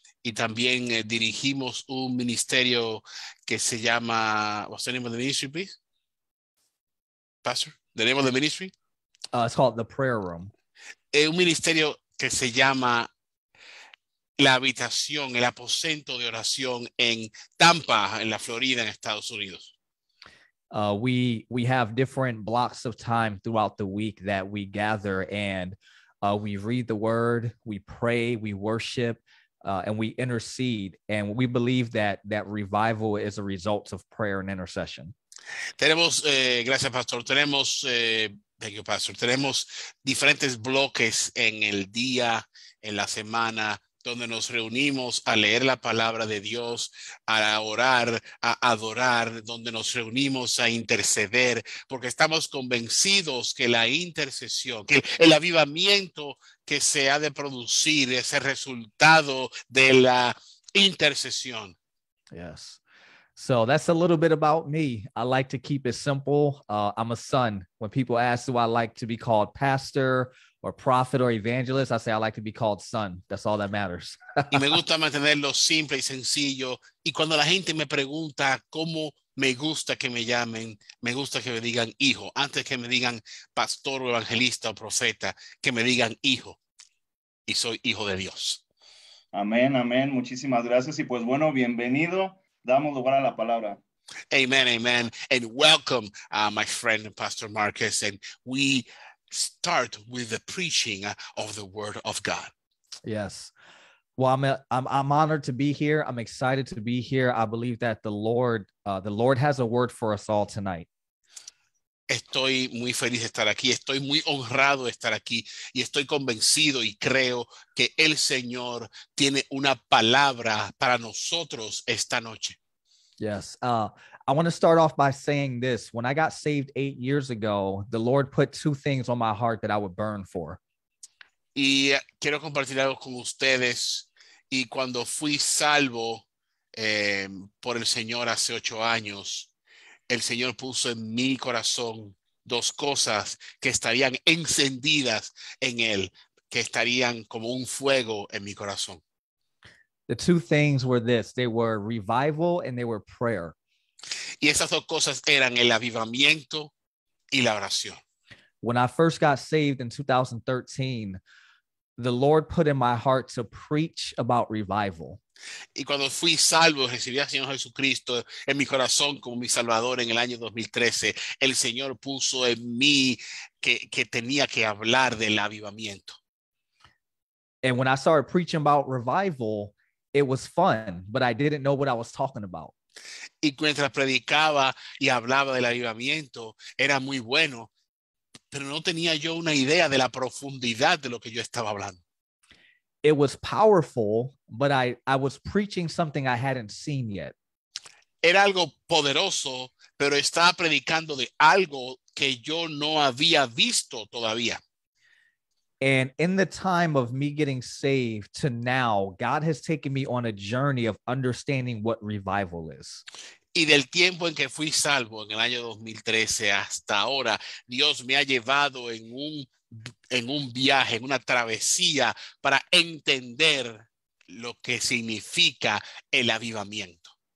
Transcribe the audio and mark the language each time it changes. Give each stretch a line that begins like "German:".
Spanish: Y también dirigimos un ministerio que se llama,
English: what's the name of the ministry, please? Pastor, the name of the ministry? It's called the prayer room.
Spanish: Un ministerio que se llama la habitación, el aposento de oración en Tampa, en la Florida, en Estados Unidos.
English: We have different blocks of time throughout the week that we gather and we read the word, we pray, we worship, and we intercede. And we believe that that revival is a result of prayer and intercession.
Spanish: Tenemos, gracias, Pastor. Tenemos,
English: thank you,
Spanish: Pastor. Tenemos diferentes bloques en el día, en la semana, donde nos reunimos a leer la palabra de Dios, a orar, a adorar, donde nos reunimos a interceder, porque estamos convencidos que la intercesión, que el avivamiento que se ha de producir es el resultado de la intercesión.
English: Yes. So that's a little bit about me. I like to keep it simple. I'm a son. When people ask, do I like to be called pastor or prophet or evangelist? I say, I like to be called son. That's all that matters.
Spanish: Y me gusta mantenerlo simple y sencillo. Y cuando la gente me pregunta cómo me gusta que me llamen, me gusta que me digan hijo. Antes que me digan pastor o evangelista o profeta, que me digan hijo. Y soy hijo de Dios. Amén, amén. Muchísimas gracias. Y pues bueno, bienvenido. Damos lugar a la palabra.
English: Amen, amen. And welcome, my friend, Pastor Marcus. And we start with the preaching of the word of God. Yes. Well, I'm honored to be here. I'm excited to be here. I believe that the Lord has a word for us all tonight.
Spanish: Estoy muy feliz de estar aquí. Estoy muy honrado de estar aquí. Y estoy convencido y creo que el Señor tiene una palabra para nosotros esta noche.
English: Yes. I want to start off by saying this. When I got saved 8 years ago, the Lord put two things on my heart that I would burn for.
Spanish: Y quiero compartir algo con ustedes. Y cuando fui salvo por el Señor hace 8 años, el Señor puso en mi corazón dos cosas que estarían encendidas en él, que estarían como un fuego en mi corazón.
English: The two things were this. They were revival and they were prayer.
Spanish: Y esas dos cosas eran el avivamiento y la oración.
English: When I first got saved in 2013, the Lord put in my heart to preach about revival.
Spanish: Y cuando fui salvo, recibí al Señor Jesucristo en mi corazón como mi Salvador en el año 2013, el Señor puso en mí que tenía que hablar del avivamiento.
English: And when I started preaching about revival, it was fun, but I didn't know what I was talking about.
Spanish: Y mientras predicaba y hablaba del avivamiento, era muy bueno, pero no tenía yo una idea de la profundidad de lo que yo estaba hablando.
English: It was powerful, but I was preaching something I hadn't seen yet.
Spanish: Era algo poderoso, pero estaba predicando de algo que yo no había visto todavía.
English: And in the time of me getting saved to now, God has taken me on a journey of understanding what revival is.
Spanish: Y del tiempo en que fui salvo, en el año 2013 hasta ahora, Dios me ha llevado en un viaje, en una travesía para entender lo que significa el avivamiento.